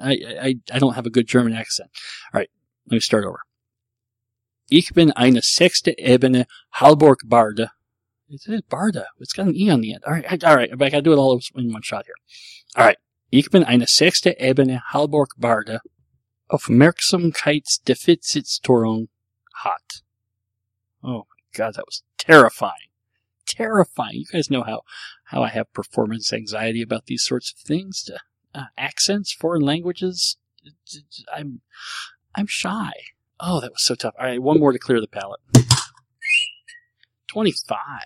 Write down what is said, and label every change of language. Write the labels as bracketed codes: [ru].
[en] I don't have a good German accent. All right, let me start over. [de] Ich bin eine sechste Ebene Halborg Barde. [en] Is it Barde? It's got an E on the end. All right, I gotta do it all in one shot here. All right. [de] Ich bin eine sechste Ebene Halborg Barde. Aufmerksamkeitsdefizitstörung hat. [en] Oh my God, that was terrifying. Terrifying. You guys know how I have performance anxiety about these sorts of things. Accents, foreign languages. I'm shy. Oh, that was so tough. All right, one more to clear the palate. 25.